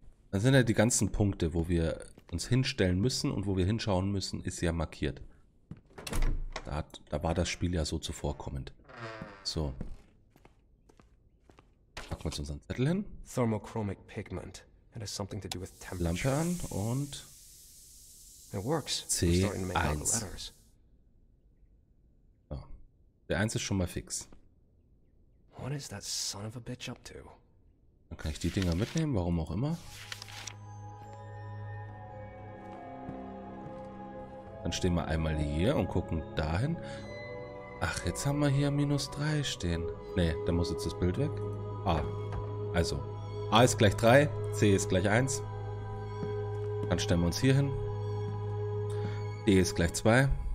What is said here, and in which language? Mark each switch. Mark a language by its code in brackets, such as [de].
[de] Dann sind ja die ganzen Punkte, wo wir uns hinstellen müssen und wo wir hinschauen müssen, ist ja markiert. Da war das Spiel ja so zuvorkommend. So. Packen wir uns unseren Zettel hin. [en] Thermochromic pigment. It has something to do with temperature. [de] Lampe an und [en] it works. C1. Oh. [de] B1 ist schon mal fix. [en] What is that son of a bitch up to? [de] Dann kann ich die Dinger mitnehmen, warum auch immer. Dann stehen wir einmal hier und gucken dahin. Ach, jetzt haben wir hier minus 3 stehen. Nee, da muss jetzt das Bild weg. Ah, also. A ist gleich 3, C ist gleich 1. Dann stellen wir uns hier hin. D ist gleich 2.